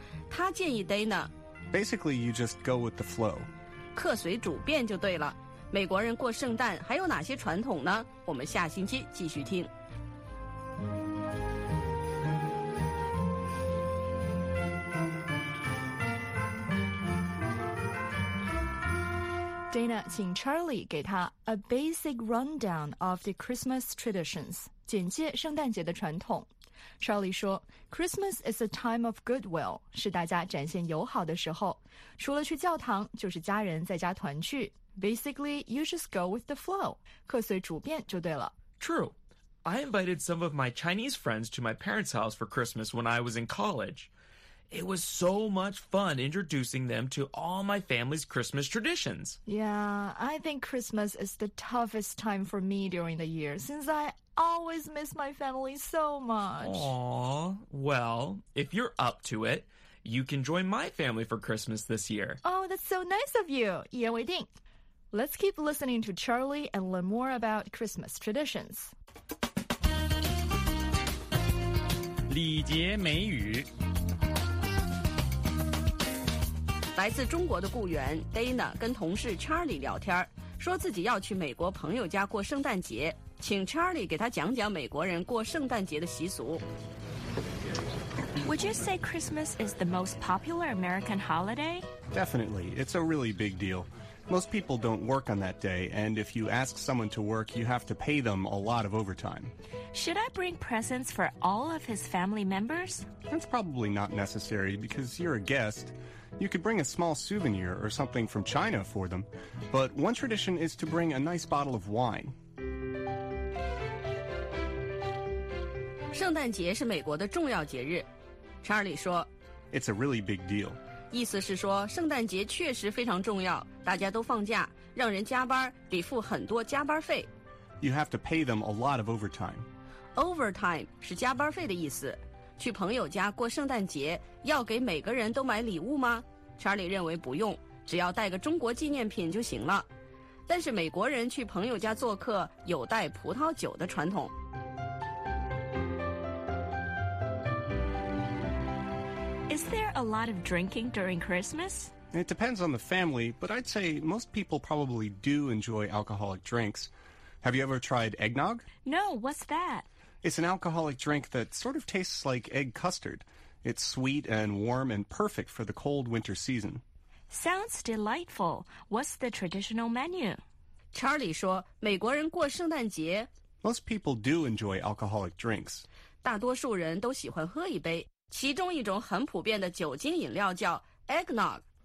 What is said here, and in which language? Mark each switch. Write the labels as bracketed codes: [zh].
[zh] 他建议 Dana [en] basically you just go with the flow， [zh] 客随主便就对了。美国人过圣诞还有哪些传统呢？我们下星期继续听。 Dana 请 Charlie 给他 [en] a basic rundown of the Christmas traditions， [zh] 简介圣诞节的传统。 Charlie 说 [en] Christmas is a time of goodwill， [zh] 是大家展现友好的时候，除了去教堂就是家人在家团聚。 [en] Basically, you just go with the flow. 客随主便就对了。 True. I invited some of my Chinese friends to my parents' house for Christmas when I was in college. It was so much fun introducing them to all my family's Christmas traditions. Yeah, I think Christmas is the toughest time for me during the year since I always miss my family so much. Aww. Well, if you're up to it,You can join my family for Christmas this year. Oh, that's so nice of you. [zh] 一言为定。 [en] Let's keep listening to Charlie and learn more about Christmas traditions. [zh] 礼节美语。来自中国的雇员 Dana 跟同事 Charlie 聊天，说自己要去美国朋友家过圣诞节，请 Charlie 给他讲讲美国人过圣诞节的习俗。 [en] Would you say Christmas is the most popular American holiday? Definitely. It's a really big deal. Most people don't work on that day, and if you ask someone to work, you have to pay them a lot of overtime. Should I bring presents for all of his family members? That's probably not necessary, because you're a guest. You could bring a small souvenir or something from China for them. But one tradition is to bring a nice bottle of wine. [zh] 圣诞节是美国的重要节日，查理说 [en] It's a really big deal， [zh] 意思是说圣诞节确实非常重要，大家都放假，让人加班得付很多加班费。 [en] You have to pay them a lot of overtime. [zh] Overtime 是加班费的意思。去朋友家过圣诞节要给每个人都买礼物吗？查理认为不用，只要带个中国纪念品就行了。但是美国人去朋友家做客有带葡萄酒的传统。 [en] Is there a lot of drinking during Christmas? It depends on the family, but I'd say most people probably do enjoy alcoholic drinks. Have you ever tried eggnog? No, what's that? It's an alcoholic drink that sort of tastes like egg custard. It's sweet and warm and perfect for the cold winter season. Sounds delightful. What's the traditional menu? [zh] Charlie 说美国人过圣诞节 [en] Most people do enjoy alcoholic drinks. [zh] 大多数人都喜欢喝一杯。其中一种很普遍的酒精饮料叫 eggnog.